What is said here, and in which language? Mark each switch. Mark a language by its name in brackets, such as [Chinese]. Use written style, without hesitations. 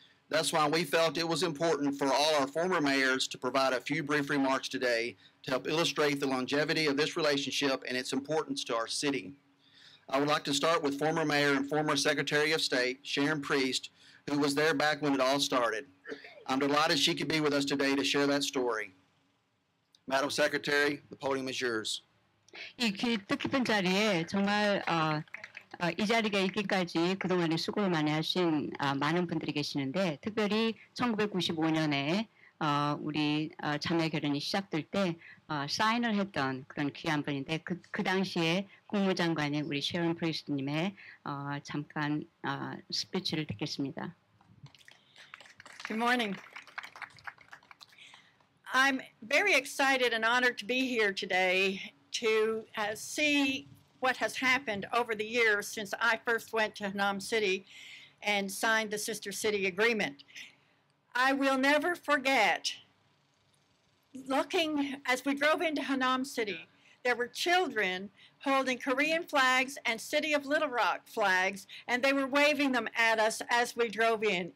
[English] That's why we felt it was important for all our former mayors to provide a few brief remarks today to help illustrate the longevity of this relationship and its importance to our city. I would like to start with former mayor and former secretary of state, Sharon Priest, who was there back when it all started. I'm delighted she could be with us today to share that story. Madam Secretary, the podium is yours. [Korean] 이 뜻깊은 자리에 정말 이 자리가 있기까지 그동안에 수고를 많이 하신 많은 분들이 계시는데 특별히 1995년에 우리 자매 결연이 시작될 때 사인을 했던 그런 귀한 분인데 그 당시에 국무장관인 우리 셰론 프리스트님의 잠깐 스피치를 듣겠습니다. [English] Good morning. I'm very excited and honored to be here today to see what has happened over the years since I first went to Hanam City and signed the Sister City Agreement. I will never forget looking as we drove into Hanam City, there were children holding Korean flags and City of Little Rock flags, and they were waving them at us as we drove in.